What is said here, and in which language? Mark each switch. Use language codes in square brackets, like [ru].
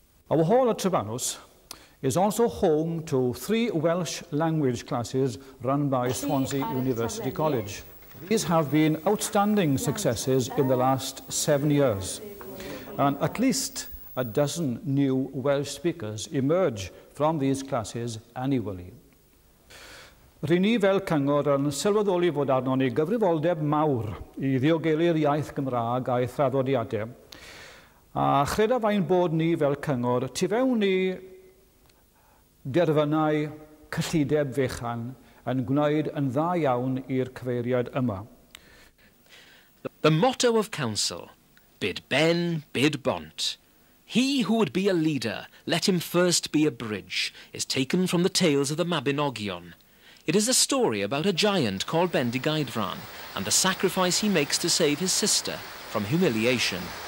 [en] Our hall at Trebanos is also home to three Welsh language classes run by Swansea University College. These have been outstanding successes in the last 7 years. And at least a dozen new Welsh speakers emerge from these classes annually. [cy] Rini fel cyngor yn sylweddoli fod arno ni gyfrifoldeb mawr I ddiogelu'r iaith Gymraeg a'i thraddodiadau. A chredaf ein bod ni fel cyngor tu fewn I derfynau cyllideb fechan yn gwneud yn dda iawn i'r cyfeiriad yma. [en] The motto of council, [cy] bid ben, bid bont. [en] He who would be a leader, let him first be a bridge, is taken from the tales of the Mabinogion. It is a story about a giant called Bendigeidfran and the sacrifice he makes to save his sister from humiliation.